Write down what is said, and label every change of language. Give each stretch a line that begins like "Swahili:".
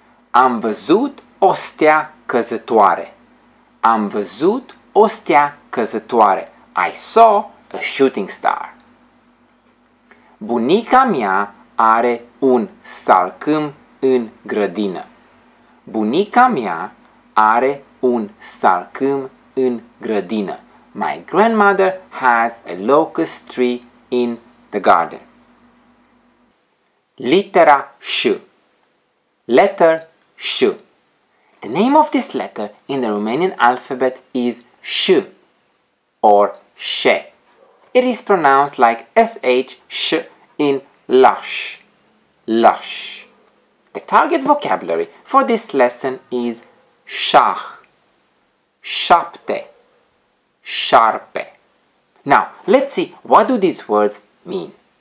Romanian: Am văzut o stea căzătoare. Am văzut o stea căzătoare.
English: I saw a shooting star.
Romanian: Bunica mea are un salcâm în grădină. Bunica mea are un salcâm în grădină.
English: My grandmother has a locust tree in the garden.
Romanian: Litera Ș.
English: Letter Ș. The name of this letter in the Romanian alphabet is Ș or Șe. It is pronounced like SH, SH in lush, lush. The target vocabulary for this lesson is șah, șapte, șarpe. Now, let's see what do these words mean.